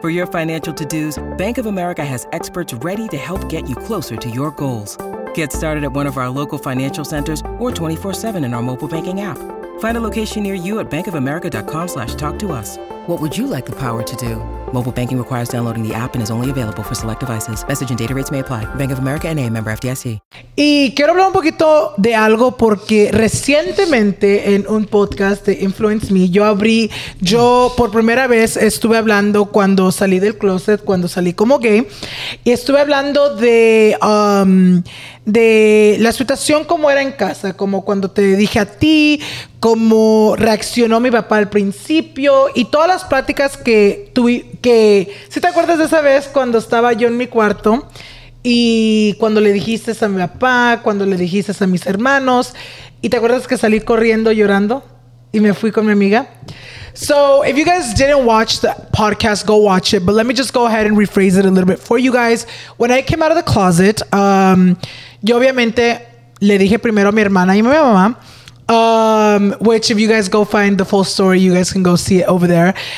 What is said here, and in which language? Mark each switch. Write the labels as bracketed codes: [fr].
[en] For your financial to-dos, Bank of America has experts ready to help get you closer to your goals. Get started at one of our local financial centers or 24-7 in our mobile banking app. Find a location near you at bankofamerica.com/talktous. What would you like the power to do? Mobile banking requires downloading the app and is only available for select devices. Message and data rates may apply. Bank of America NA, member FDIC. [es] Y quiero hablar un poquito de algo porque recientemente en un podcast de Influence Me, yo por primera vez estuve hablando cuando salí del closet, cuando salí como gay, y estuve hablando de la situación como era en casa, como cuando te dije a ti, cómo reaccionó mi papá al principio y todas las pláticas que tuve. Que si ¿sí te acuerdas de esa vez cuando estaba yo en mi cuarto y cuando le dijiste a mi papá, cuando le dijiste a mis hermanos, y te acuerdas que salí corriendo llorando y me fui con mi amiga? [en] So if you guys didn't watch the podcast, go watch it. But let me just go ahead and rephrase it a little bit for you guys. When I came out of the closet, [es] yo obviamente le dije primero a mi hermana y a mi mamá. [en] Which if you guys go find the full story, you guys can go see it over there.